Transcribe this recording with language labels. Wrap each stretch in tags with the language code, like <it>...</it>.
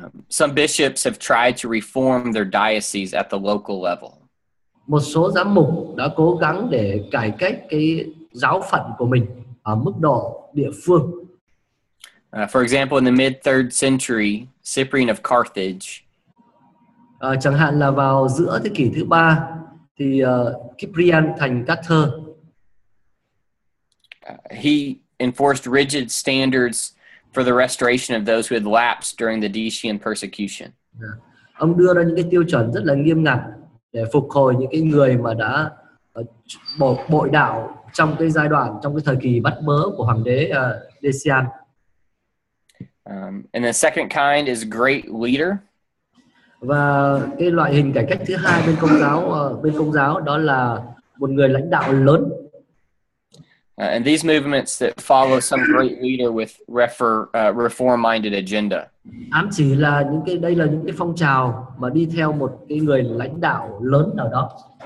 <en>Some bishops have tried to reform their diocese at the local level.</en> <vi>Một số giám mục đã cố gắng để cải cách cái giáo phận của mình ở mức độ địa phương.</vi> <en>For example, in the mid-third century, Cyprian of Carthage.</en> <vi>Chẳng hạn là vào giữa thế kỷ thứ ba, thì Cyprian thành các thơ.</vi> <en>He enforced rigid standards for the restoration of those who had lapsed during the Decian persecution.</en> <vi>Ông đưa ra những cái tiêu chuẩn rất là nghiêm ngặt để phục hồi những cái người mà đã bội đạo trong cái giai đoạn trong cái thời kỳ bắt bớ của hoàng đế Decian.</vi> <en>And the second kind is great leader.</en> <vi>Và cái loại hình cải cách thứ hai bên Công giáo đó là một người lãnh đạo lớn.</vi> <en>And these movements that follow some great leader with reform-minded agenda.</en> <vi>Ám chỉ là những cái đây là những cái phong trào mà đi theo một cái người lãnh đạo lớn nào đó.</vi>